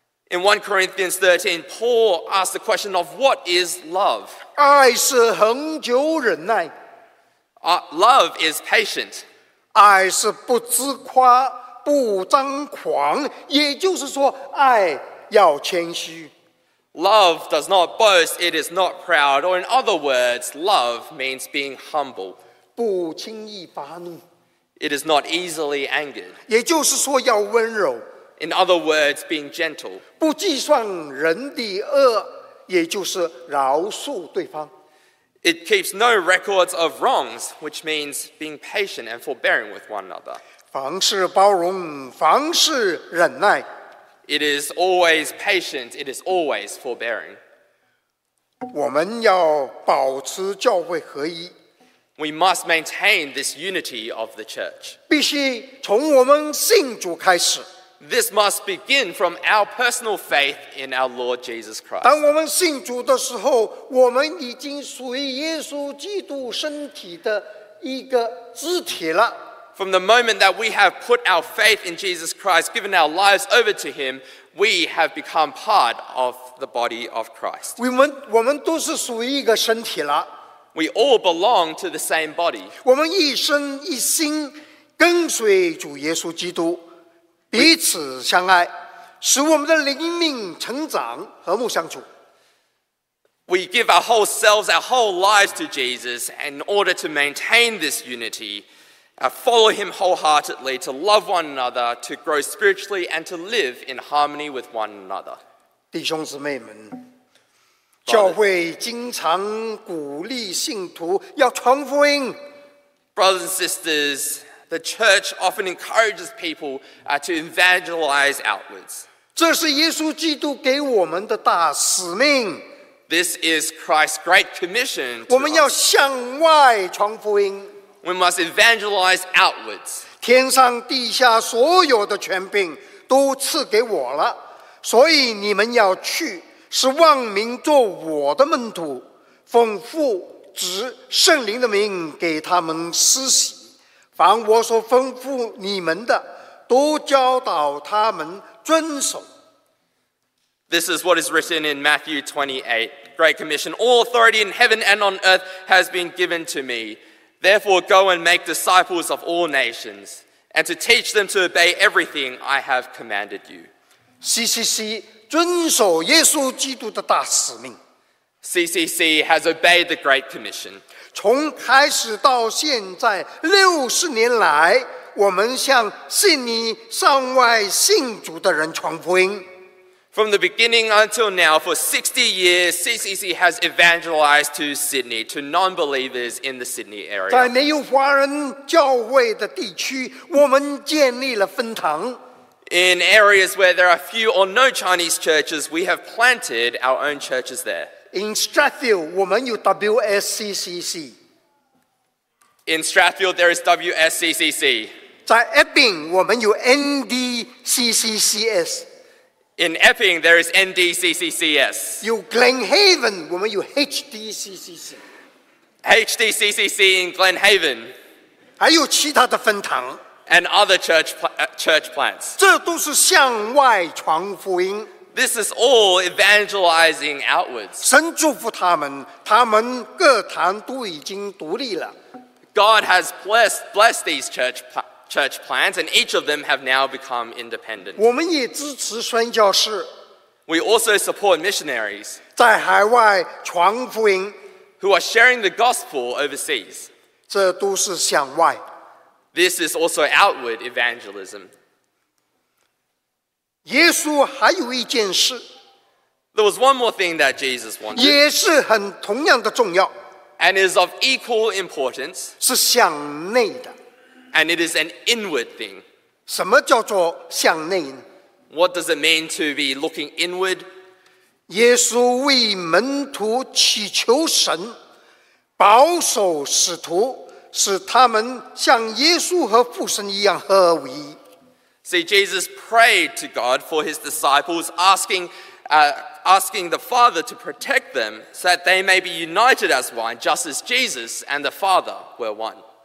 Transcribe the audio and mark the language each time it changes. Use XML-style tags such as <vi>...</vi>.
<en>In 1 Corinthians 13, Paul asked the question of what is love?</en> <zh>爱是恒久忍耐。</zh> <en>Love is patient.</en> <zh>爱是不自夸，不张狂，也就是说爱要谦虚。</zh> <en>Love does not boast, it is not proud, or in other words, love means being humble.</en> <zh>不轻易发怒。</zh> <en>It is not easily angered.</en> <zh>也就是说要温柔。</zh> <en>In other words, being gentle.</en> <zh>不计算人的恶，也就是饶恕对方。</zh> <en>It keeps no records of wrongs, which means being patient and forbearing with one another.</en> <zh>凡事包容，凡事忍耐。</zh> <en>It is always patient, it is always forbearing.</en> <zh>我们要保持教会合一。</zh> <en>We must maintain this unity of the church.</en> <zh>必须从我们信主开始。</zh> <en>This must begin from our personal faith in our Lord Jesus Christ.</en> <zh>当我们信主的时候，我们已经属于耶稣基督身体的一个肢体了。</zh> <en>From the moment that we have put our faith in Jesus Christ, given our lives over to Him, we have become part of the body of Christ.</en> <zh>我们都是属于一个身体了。</zh> <en>We all belong to the same body.</en> <zh>我们一生一心跟随主耶稣基督。彼此相爱，使我们的灵命成长，和睦相处。</zh> <en>We give our whole selves, our whole lives to Jesus in order to maintain this unity, follow Him wholeheartedly, to love one another, to grow spiritually, and to live in harmony with one another.</en> <zh>弟兄姊妹们，教会经常鼓励信徒要传福音。</zh> <en>Brothers and sisters,The church often encourages people to evangelize outwards.</en> <zh>这是耶稣基督给我们的大使命。</zh> <en>This is Christ's great commission.</en> <zh>我们要向外传福音。</zh> <en>We must evangelize outwards.</en> <zh>天上地下所有的权柄都赐给我了，所以你们要去，使万民做我的门徒，奉父、子、圣灵的名给他们施洗。凡我所吩咐你们的，都教导他们遵守。</zh> <en>This is what is written in Matthew 28, Great Commission. All authority in heaven and on earth has been given to me. Therefore, go and make disciples of all nations, and to teach them to obey everything I have commanded you.</en> <zh>CCC 遵守耶稣基督的大使命。</zh> <en>CCC has obeyed the Great Commission.</en> <zh>从开始到现在60年来，我们向悉尼上外信主的人传福音。</zh> <en>From the beginning until now, for 60 years, CCC has evangelized to Sydney, to non-believers in the Sydney area.</en> <zh>在没有华人教会的地区，我们建立了分堂。</zh> <en>In areas where there are few or no Chinese churches, we have planted our own churches there. In Strathfield,</en> <zh>我们有 WSCCC.</zh> <en>In Strathfield, there is WSCCC.</en> <zh>在 Epping, 我们有 NDCCCS.</zh> <en>In Epping, there is NDCCCS.</en> <zh>有 Glenhaven, 我们有 HDCCC.</zh> <en>HDCCC in Glenhaven.</en> <zh>还有其他的分堂。</zh> <en>And other church plants.</en> <zh>这都是向外传福音。</zh> <en>This is all evangelizing outwards.</en> <zh>神祝福他们，他们各堂都已经独立了。</zh> <en>God has blessed these church plants, and each of them have now become independent.</en> <zh>我们也支持宣教士。</zh> <en>We also support missionaries.</en> <zh>在海外传福音。</zh> <en>Who are sharing the gospel overseas.</en> <zh>这都是向外。</zh> <en>This is also outward evangelism.</en> <zh>耶稣还有一件事。</zh> <en>There was one more thing that Jesus wanted.</en> <zh>也是很同样的重要。</zh> <en>And is of equal importance.</en> <zh>是向内的。</zh> <en>And it is an inward thing.</en> <zh>什么叫做向内呢？</zh> <en>What does it mean to be looking inward?</en> <zh>耶稣为门徒祈求神保守使徒，使他们像耶稣和父神一样合一。</zh> <en>See, Jesus prayed to God for his disciples, asking the Father to protect them so that they may be united as one, just as Jesus and the Father were one.</en>